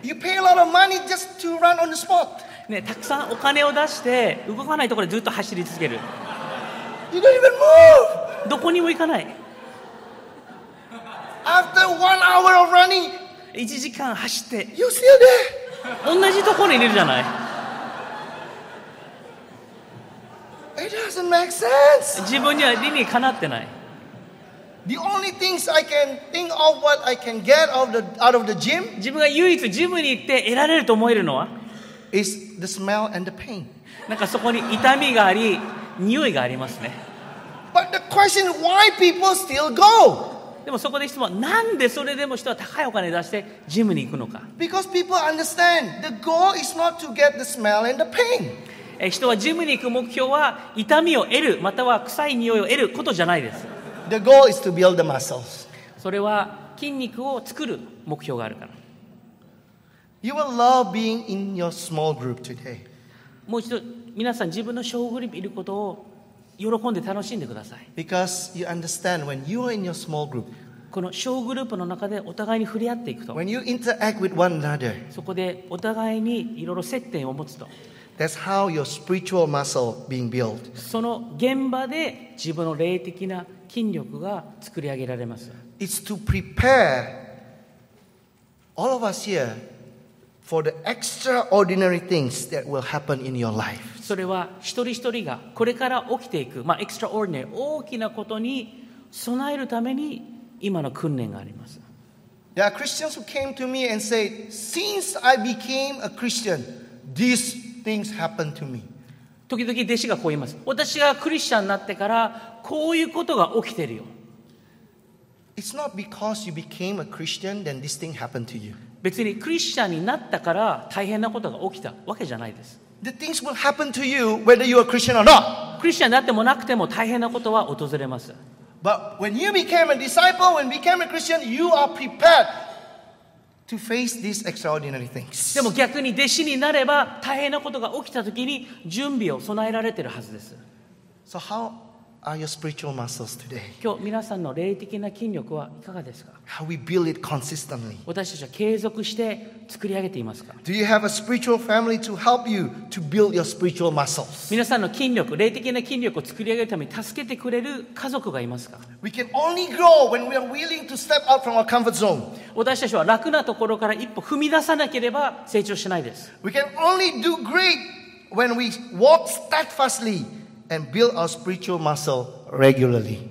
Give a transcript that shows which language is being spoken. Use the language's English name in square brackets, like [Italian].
[English] You pay a lot of money just to run on the spot. [Japanese] ね、たくさんお金を出して動かないところでずっと走り続ける。 [English] You don't even move. [Japanese] どこにも行かない。 [English] After one hour of running, [Japanese] 1時間走って、 [English] You still there? [Japanese] 同じところにいるじゃない。 [English] It doesn't make sense. [Japanese] 自分には理にかなってない。 [English] The only things I can think of what I can get out of the gym, [Japanese] 自分が唯一ジムに行って得られると思えるのは、 [English] is the smell and the pain. [Japanese] なんかそこに痛みがあり、匂いがありますね。 [English] But the question is why people still go? [Japanese] でもそこで質問、なんでそれでも人は高いお金出してジムに行くのか。 [English] Because people understand the goal is not to get the smell and the pain. [Japanese] 人はジムに行く目標は痛みを得る、または臭い匂いを得ることじゃないです。 [English] The goal is to build the muscles. [Japanese] それは筋肉を作る目標があるから。 [English] You will love being in your small group today. [Japanese] もう一度、皆さん自分の小グループにいることを喜んで楽しんでください。 [English] Because you understand when you are in your small group, [Japanese] この小グループの中でお互いに触れ合っていくと、 [English] when you interact with one another, [Japanese] そこでお互いにいろいろ接点を持つと、 [English] that's how your spiritual muscle being built. [Japanese] その現場で自分の霊的な筋力が作り上げられます。 [English] It's to prepare all of us here for the extraordinary things that will happen in your life. [Japanese] それは一人一人がこれから起きていく、まあ、extraordinary 大きなことに備えるために今の訓練があります。 [English] There are Christians who came to me and said, since I became a Christian, these things happened to me. [Japanese] 時々弟子がこう言います。私がクリスチャンになってからこういうことが起きてるよ。 [English] It's not because you became a Christian then this thing happened to you. [Japanese] 別にクリスチャンになったから大変なことが起きたわけじゃないです。 [English] The things will happen to you whether you are Christian or not. [Japanese] クリスチャンになってもなくても大変なことは訪れます。 [English] But when you became a disciple, when you became a Christian, you are prepared to face these extraordinary things. [Japanese] でも逆に弟子になれば大変なことが起きた時に準備を備えられているはずです。 [English] So how are your spiritual muscles today? [Japanese] 今日皆さんの霊的な筋力はいかがですか? [English] How we build it consistently? [Japanese] 私たちは継続して作り上げていますか? [English] Do you have a spiritual family to help you to build your spiritual muscles? [Japanese] 皆さんの筋力、霊的な筋力を作り上げるために助けてくれる家族がいますか? [English] We can only grow when we are willing to step out from our comfort zone. [Japanese] 私たちは楽なところから一歩踏み出さなければ成長しないです。 [English] We can only do great when we walk steadfastlyAnd build our spiritual muscle regularly.